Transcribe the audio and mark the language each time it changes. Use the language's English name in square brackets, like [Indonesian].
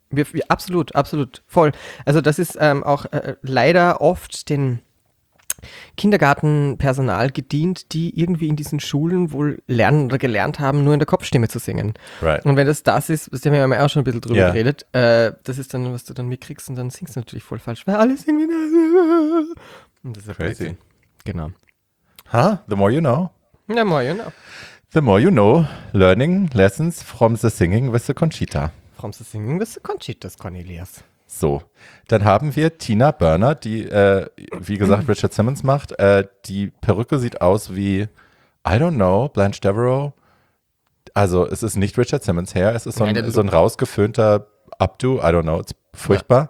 [German] Wir absolut, absolut, voll. Also das ist auch leider oft den Kindergartenpersonal gedient, die irgendwie in diesen Schulen wohl lernen oder gelernt haben, nur in der Kopfstimme zu singen. [English] Right. [German] Und wenn das ist, das haben wir ja auch schon ein bisschen drüber yeah. Geredet, das ist dann, was du dann mitkriegst und dann singst du natürlich voll falsch, weil alle singen wie eine. Und das ist crazy. Crazy. Genau. [English] Huh? The more you know. The more you know. The more you know, learning lessons from the singing with the Conchita. From the singing with the Conchitas, Cornelius. [German] So, dann haben wir Tina Burner, die, wie gesagt, Richard Simmons macht. Die Perücke sieht aus wie, [English] I don't know, [German] Blanche Devereaux. Also, es ist nicht Richard Simmons Hair, es ist so ein rausgeföhnter Updo, [English] I don't know, [German] ist furchtbar.